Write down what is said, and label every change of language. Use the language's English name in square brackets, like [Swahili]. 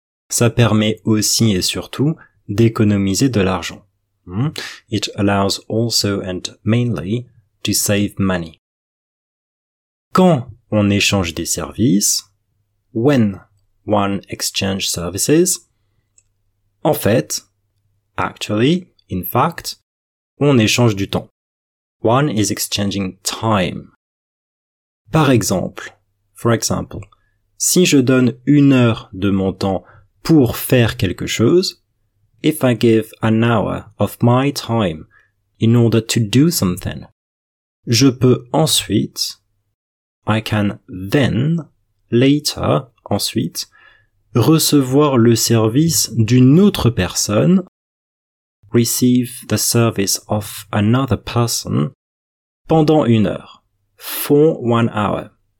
[French] Ça permet aussi et surtout d'économiser de l'argent. [English] It allows also and mainly to save money. [French] Quand on échange des services, [English] when one exchanges services, [French] en fait, [English] actually, in fact, [French] on échange du temps. [English] One is exchanging time. [French] Par exemple, si je donne une heure de mon temps pour faire quelque chose, [English] if I give an hour of my time in order to do something, [French] je peux ensuite, [English] I can then, later, [French] ensuite, recevoir le service d'une autre personne, [English] receive the service of another person, [French] pendant une heure, [English] for one hour.